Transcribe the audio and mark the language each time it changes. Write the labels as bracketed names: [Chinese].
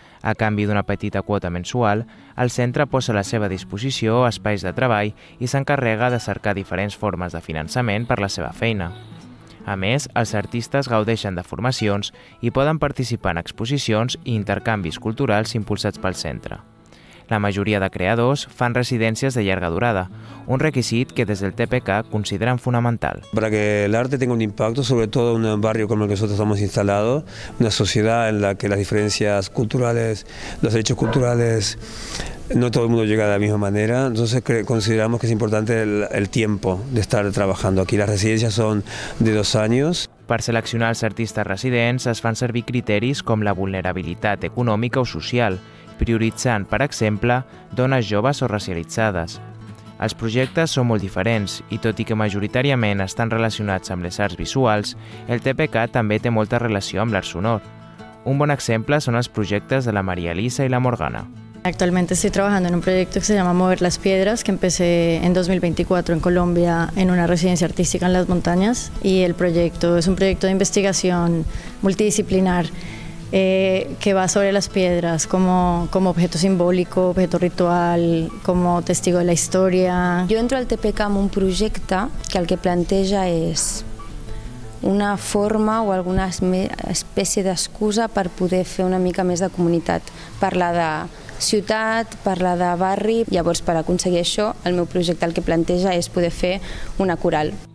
[Catalan] A canvi d'una petita quota mensual, el centre posa a la seva disposició espais de treball i s'encarrega de cercar diferents formes de finançament per la seva feina. A més, els artistes gaudeixen de formacions i poden participar en exposicions i intercanvis culturals impulsats pel centre. La majoria de creadors fan residències de llarga durada, un requisit que des del TPK consideren fonamental. [Spanish] Para que el arte tenga un impacto, sobre todo en un barrio como el que nosotros estamos instalados, una sociedad en la que las diferencias culturales, los derechos culturales, no todo el mundo llega de la misma manera, entonces consideramos que es importante el tiempo de estar trabajando aquí. Las residencias son de 2 años. [Catalan] Per seleccionar els artistes residents es fan servir criteris com la vulnerabilitat econòmica o social, prioritzant, per exemple, dones joves o racialitzades. Els projectes són molt diferents i, tot i que majoritàriament estan relacionats amb les arts visuals, el TPK també té molta relació amb l'art sonor. Un bon exemple són els projectes de la Maria Elisa i la Morgana. [Spanish] Actualmente estoy trabajando en un proyecto que se llama Mover las Piedras, que empecé en 2024 en Colombia en una residencia artística en las montañas. Y el proyecto es un proyecto de investigación multidisciplinar que va sobre las piedras como objeto simbólico, objeto ritual, como testigo de la historia. Yo entro al [Catalan] TPK amb un projecte que el que planteja és una forma o alguna espècie d'excusa per poder fer una mica més de comunitat, parlar de ciutat, parlar de barri. Llavors, per aconseguir això, el meu projecte el que planteja és poder fer una coral.